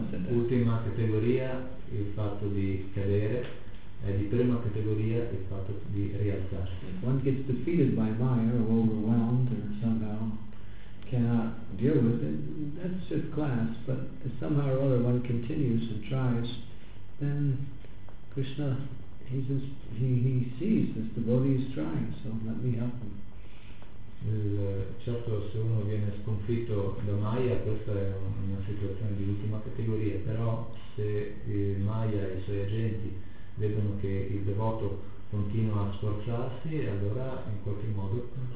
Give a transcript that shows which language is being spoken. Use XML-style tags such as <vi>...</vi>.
<it>Ultima categoria il fatto di cadere, è di prima categoria il fatto di rialzarsi.</it> <en>If one gets defeated by Maya or overwhelmed or somehow cannot deal with it, that's fifth class, but if somehow or other one continues and tries, then Krishna, he sees this devotee is trying, so let me help him.</en> <it>Certo, se uno viene sconfitto da Maya, questa è una situazione di ultima categoria, però se Maya e i suoi agenti vedono che il devoto continua a sforzarsi, allora in qualche modo...</it>